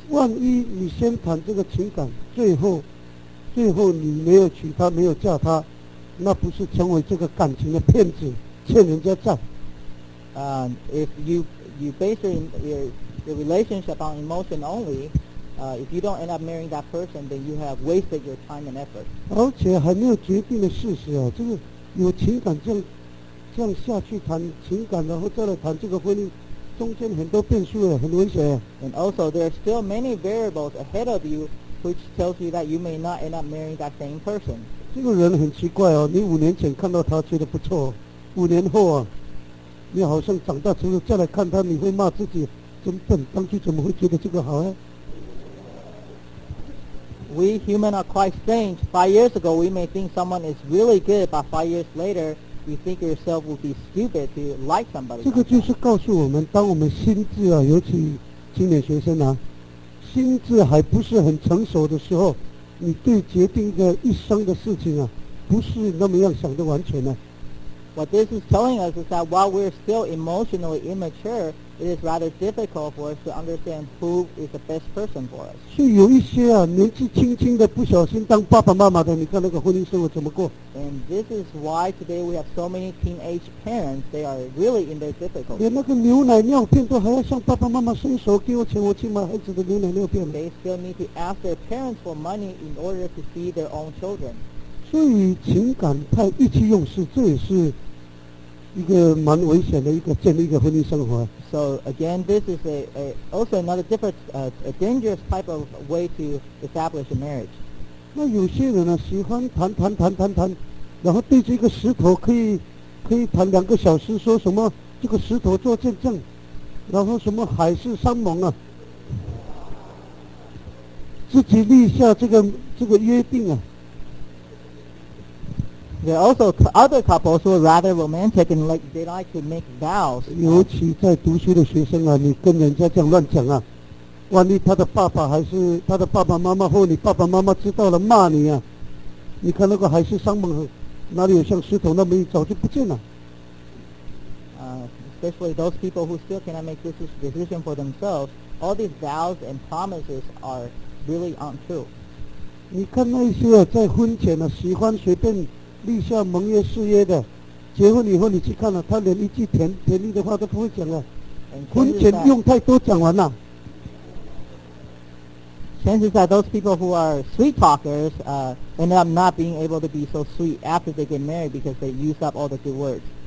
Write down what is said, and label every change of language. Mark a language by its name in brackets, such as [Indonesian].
[Chinese] 万一你先谈这个情感，最后你没有娶她，没有嫁她，那不是成为这个感情的骗子，欠人家债。 [English] If you base your relationship on emotion only, if you don't end up marrying that person, then you have wasted your time and effort. [Chinese] 而且还没有决定的事实啊，这个。有情感这样下去谈情感，然后再来谈这个婚姻，中间很多变数很危险。 [English] And also, there are still many variables ahead of you, which tells you that you may not end up marrying that same person. [Chinese] 这个人很奇怪哦，你5年前看到他觉得不错，5年后啊，你好像长大之后再来看他，你会骂自己，怎么当初怎么会觉得这个好啊？ [English] We human are quite strange. 5 years ago, we may think someone is really good, but 5 years later, you think yourself would be stupid to like somebody. [Chinese] 这个就是告诉我们，当我们心智啊，尤其青年学生啊，心智还不是很成熟的时候，你对决定一个一生的事情啊，不是那么样想得完全的。 [English] What this is telling us is that while we're still emotionally immature, it is rather difficult for us to understand who is the best person for us. [Chinese] 是有一些啊，年纪轻轻的不小心当爸爸妈妈的，你看那个婚姻生活怎么过？ [English] And this is why today we have so many teenage parents. They are really in their difficulty. [Chinese] 连那个牛奶尿片都还要向爸爸妈妈伸手给我钱，我去买孩子的牛奶尿片。 [English] They still need to ask their parents for money in order to feed their own children. [Chinese] 对于情感太意气用事，这也是一个蛮危险的一个建立一个婚姻生活。 [English] So again, this is also another different, a dangerous type of way to establish a marriage. [Chinese] 那有些人呢，喜欢谈，然后对着一个石头可以谈2个小时，说什么这个石头做见证，然后什么海誓山盟啊，自己立下这个约定啊。 [English] There are also other couples who are rather romantic and they like to make vows. [Chinese] 尤其在读书的学生啊，你跟人家这样乱讲啊，万一他的爸爸还是他的爸爸妈妈或你爸爸妈妈知道了骂你啊，你看那个海誓山盟哪里有像石头那么早就不见了。 [English] Especially those people who still cannot make this decision for themselves, all these vows and promises are really untrue. [Chinese] 你看那些啊，在婚前啊，喜欢随便。立下盟约誓约的，结婚以后你去看了，他连一句甜蜜的话都不会讲了。婚前用太多讲完了。 [English] Chances are those people who are sweet talkers, end up not being able to be so sweet after they get married because they use up all the good words.